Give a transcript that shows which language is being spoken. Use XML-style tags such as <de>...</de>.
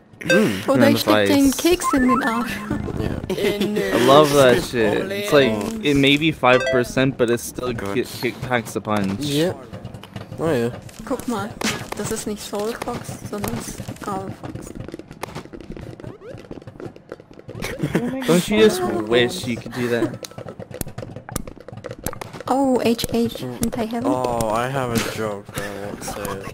<en>Oh, they should take cakes in the mouth. I love that shit. It's like, it may be 5%, but it still packs a punch. Yeah. Oh yeah.</en> <de>Guck mal, das ist nicht Soul Fox, sondern Skull Fox.</de> <en>Don't you just wish you could do that? Oh, HH, can't I have it? Oh, I have a joke that I won't say.</en>